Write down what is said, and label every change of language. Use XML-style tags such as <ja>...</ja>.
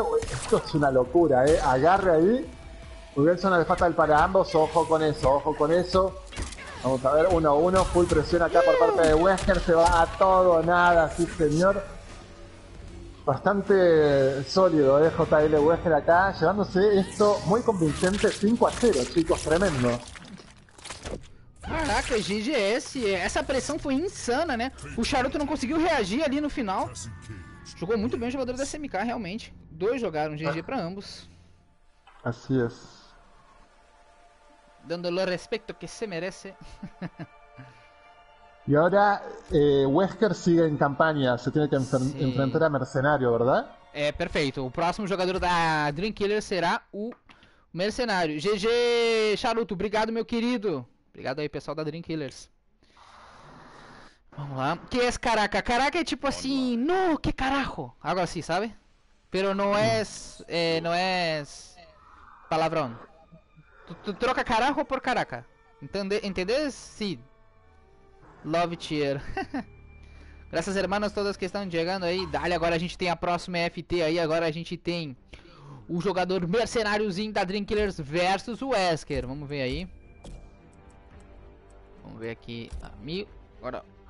<es>Uy, esto es una locura, ¿eh? Agarre ahí. Muy bien, zona de fatal para ambos, ojo con eso, ojo con eso. Vamos a ver, 1-1, full presión acá por parte de Wesker. Se va a todo nada, sí señor. Bastante sólido, ¿eh? JL Wesker acá, llevándose esto muy convincente, 5-0, chicos, tremendo.</es> <pt>Caraca, GGS, essa pressão foi insana, né? O Charuto não conseguiu reagir ali no final. Jogou muito bem o jogador da SMK, realmente. Dois jogaram GG pra ambos.</pt> <es>Así es.</es> <pt>Dando o respeito que se merece.</pt> <es>Y ahora Wesker sigue en campaña, se tiene que enfrentar a Mercenario, ¿verdad? Perfecto. El próximo jugador de Dream Killer será el Mercenario.</es> <pt>GG, Charuto, obrigado, meu querido. Obrigado aí, pessoal da Dream Killers.</pt> <es>Vamos lá. ¿Qué es caraca? Caraca es tipo así, no, qué carajo. Algo así, ¿sabe? Pero no es. No es. Palabrón. Tú</es> <pt>troca</pt> <es>carajo por caraca. ¿Entendés? Sí. Love Tier.</es> <pt>Graças, hermanos, todas que estão chegando aí. Dali, agora a gente tem a próxima EFT aí. Agora a gente tem o jogador mercenáriozinho da Dream Killers versus o Wesker. Vamos ver aí. Vamos ver aqui. Amigo. Agora.</pt>